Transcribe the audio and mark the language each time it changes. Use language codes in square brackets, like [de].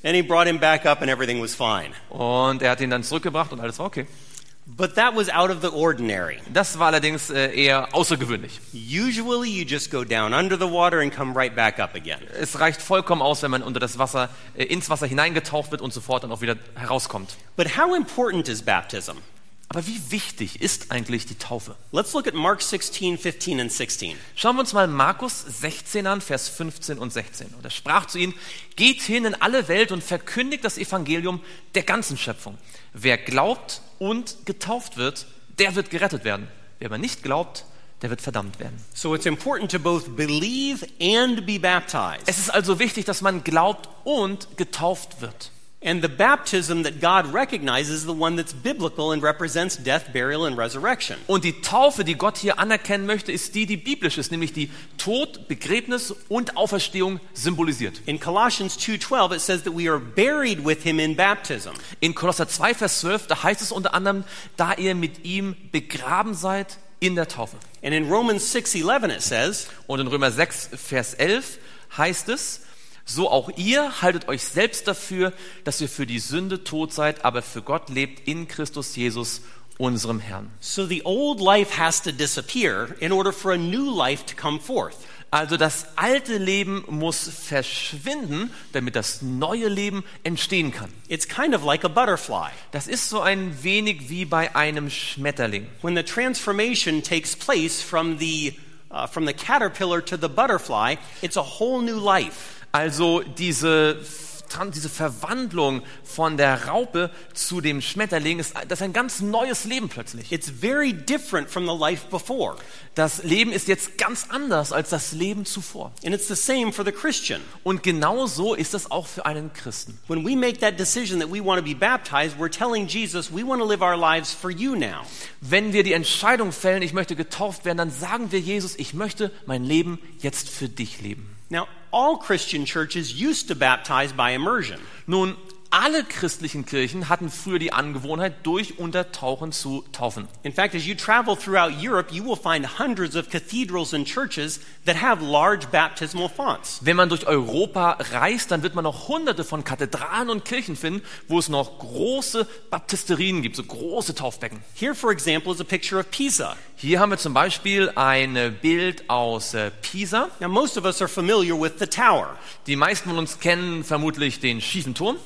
[en] And he brought him back up, and everything was fine. [de] Und er hat ihn dann zurückgebracht und alles war okay. [en] But that was out of the ordinary. [de] Das war allerdings eher außergewöhnlich. [en] Usually, you just go down under the water and come right back up again. [de] Es reicht vollkommen aus, wenn man unter das Wasser ins Wasser hineingetaucht wird und sofort dann auch wieder herauskommt. [en] But how important is baptism? [de] Aber wie wichtig ist eigentlich die Taufe? [en] Let's look at Mark 16, 15 and 16. [de] Schauen wir uns mal Markus 16 an, Vers 15 und 16. Und er sprach zu ihnen, geht hin in alle Welt und verkündigt das Evangelium der ganzen Schöpfung. Wer glaubt und getauft wird, der wird gerettet werden. Wer aber nicht glaubt, der wird verdammt werden. [en] So it's important to both believe and be baptized. [de] Es ist also wichtig, dass man glaubt und getauft wird. [en] And the baptism that God recognizes is the one that's biblical and represents death, burial and resurrection. [de] Und die Taufe, die Gott hier anerkennen möchte, ist die biblisch ist, nämlich die Tod, Begräbnis und Auferstehung symbolisiert. [en] In Colossians 2:12 it says that we are buried with him in baptism. [de] In Kolosser 2 Vers 12 da heißt es unter anderem, da ihr mit ihm begraben seid in der Taufe. [en] And in Romans 6:11 it says, [de] und in Römer 6 Vers 11 heißt es, so auch ihr haltet euch selbst dafür, dass ihr für die Sünde tot seid, aber für Gott lebt in Christus Jesus, unserem Herrn. [en] So the old life has to disappear in order for a new life to come forth. [de] Also das alte Leben muss verschwinden, damit das neue Leben entstehen kann. [en] It's kind of like a butterfly. [de] Das ist so ein wenig wie bei einem Schmetterling. [en] When the transformation takes place from the caterpillar to the butterfly, it's a whole new life. [de] Also diese Verwandlung von der Raupe zu dem Schmetterling ist ein ganz neues Leben plötzlich. [en] It's very different from the life before. [de] Das Leben ist jetzt ganz anders als das Leben zuvor. [en] And it's the same for the Christian. [de] Und genauso ist das auch für einen Christen. [en] When we make that decision that we want to be baptized, we're telling Jesus, we want to live our lives for you now. [de] Wenn wir die Entscheidung fällen, ich möchte getauft werden, dann sagen wir Jesus, ich möchte mein Leben jetzt für dich leben. [en] Now, all Christian churches used to baptize by immersion. [de] Nun, alle christlichen Kirchen hatten früher die Angewohnheit, durch Untertauchen zu taufen. [en] In fact, as you travel throughout Europe, you will find hundreds of cathedrals and churches that have large baptismal fonts. [de] Wenn man durch Europa reist, dann wird man noch hunderte von Kathedralen und Kirchen finden, wo es noch große Baptisterien gibt, so große Taufbecken. [en] Here, for example, is a picture of Pisa. [de] Hier haben wir zum Beispiel ein Bild aus Pisa. [en] Now, most of us are familiar with the tower. [de] Die meisten von uns kennen vermutlich den schiefen Turm.